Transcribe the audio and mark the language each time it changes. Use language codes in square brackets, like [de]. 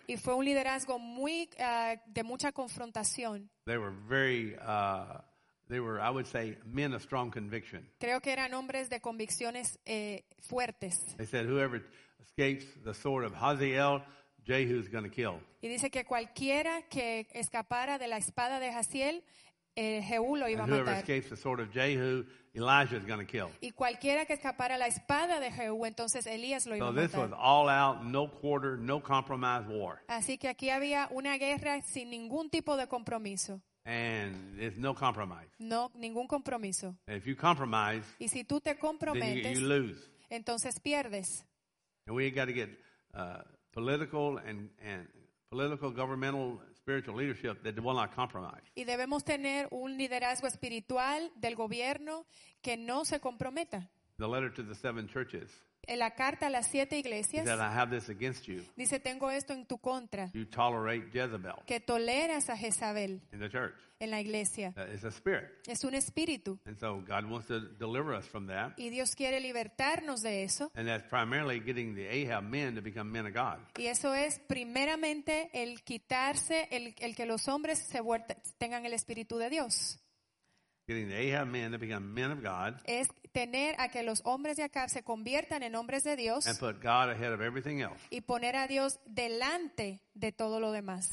[es] Y fue un liderazgo muy de mucha confrontación. [en] They were very They were, I would say, men of strong conviction. [es] Creo que eran hombres de convicciones fuertes. [en] They said, whoever escapes the sword of Hazael, Jehu is going to kill. [es] Y dice que cualquiera que escapara de la espada de Hazael, Jehú lo iba a matar. [en] Whoever escapes the sword of Jehu, Elijah is going to kill. [es] Y cualquiera que escapara la espada de Jehú, entonces Elías lo iba a matar. [en] So this was all out, no quarter, no compromise war. [es] Así que aquí había una guerra sin ningún tipo de compromiso. [en] And there's no compromise. [es] No, ningún compromiso. [en] And if you compromise, [es] y si tú te comprometes, [en] then you lose. [es] Entonces pierdes. [en] And we got to get political and political, governmental, spiritual leadership that will not compromise. [es] Y debemos tener un liderazgo espiritual del gobierno que no se comprometa. [en] The letter to the seven churches. [es] En la carta a las siete iglesias. [en] That I have this against you. [es] Dice, tengo esto en tu contra. [en] You tolerate Jezebel. [es] Que toleras a Jezabel. [en] In the church. [es] En la iglesia. [en] It's a spirit. [es] Es un espíritu. [en] And so God wants to deliver us from that. [es] Y Dios quiere libertarnos de eso. [en] And that's primarily getting the Ahab men to become men of God. [es] Y eso es primeramente el quitarse, el que los hombres se tengan el espíritu de Dios. [en] Getting the Ahab men to become men of God. [es] Es tener a que los hombres de Acab se conviertan en hombres de Dios. [en] And put God ahead of everything else. [es] Y poner a Dios delante de todo lo demás.